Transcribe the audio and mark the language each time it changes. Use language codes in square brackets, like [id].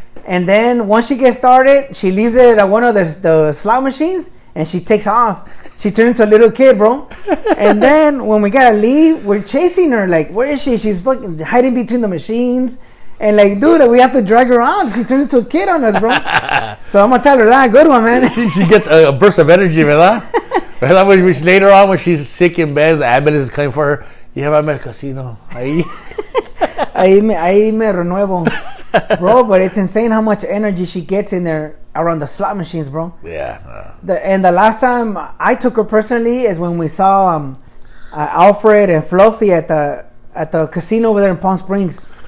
[en] And then once she gets started, she leaves it at one of the slot machines and she takes off. She turns into a little kid, bro. And then when we gotta leave, we're chasing her. Like, where is she? She's fucking hiding between the machines. And, like, dude, we have to drag her out. She turned into a kid on us, bro. So I'm going to tell her that. Good one, man. She gets a burst of energy, ¿verdad? Right? Which later on, when she's sick in bed, the ambulance is coming for her. Yeah, I'm at a casino. [es] Ahí me renuevo. [en] Bro, but it's insane how much energy she gets in there around the slot machines, bro. Yeah. The last time I took her personally is when we saw Alfred and Fluffy at the casino over there in Palm Springs.